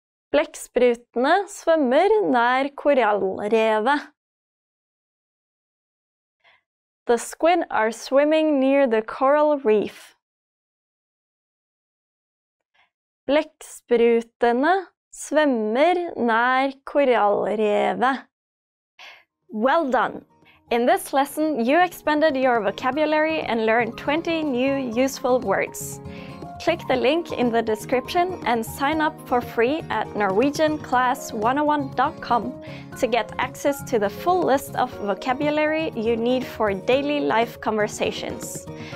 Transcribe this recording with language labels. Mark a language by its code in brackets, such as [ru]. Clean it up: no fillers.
[no] Blekksprutene svømmer nær korallrevet. [en] The squid are swimming near the coral reef. [no] Blekksprutene svømmer nær korallrevet. [en] Well done! In this lesson, you expanded your vocabulary and learned 20 new useful words. Click the link in the description and sign up for free at NorwegianClass101.com to get access to the full list of vocabulary you need for daily life conversations.